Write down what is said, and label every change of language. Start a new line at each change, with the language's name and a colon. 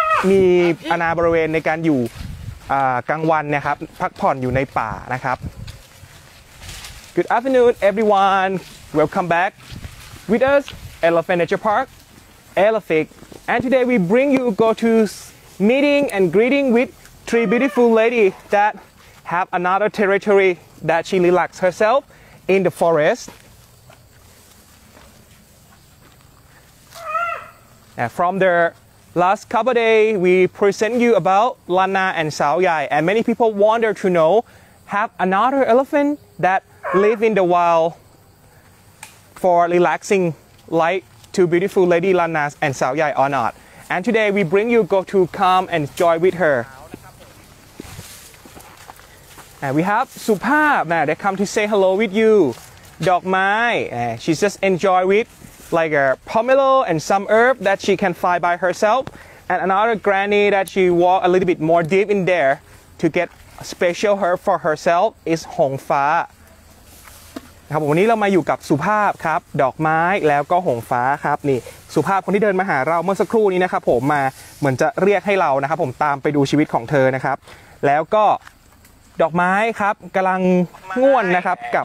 Thai: มีอนาบริเวณในการอยู่กลางวันนะครับพักผ่อนอยู่ในป่านะครับ
English: Good afternoon everyone welcome backWith us, Elephant Nature Park, Elephic, and today we bring you go to meeting and greeting with three beautiful lady that have another territory that she relax herself in the forest. And from the last couple day, we present you about Lana and Sao Yai, and many people wonder to know have another elephant that live in the wild. For relaxing, like two beautiful lady Lana and Sao Yai or not, and today we bring you go to come and enjoy with her. And we have Supap, man, they come to say hello with you. Dog Mai, she's just enjoy with like a pomelo and some herb that she can find by herself, and another granny that she walk a little bit more deep in there to get special herb for herself is Hong Fa.
Thai: ครับวันนี้เรามาอยู่กับสุภาพครับดอกไม้แล้วก็หงฟ้าครับนี่สุภาพคนที่เดินมาหาเราเมื่อสักครู่นี้นะครับผมมาเหมือนจะเรียกให้เรานะครับผมตามไปดูชีวิตของเธอนะครับแล้วก็ดอกไม้ครับกำลังง่วนนะครับ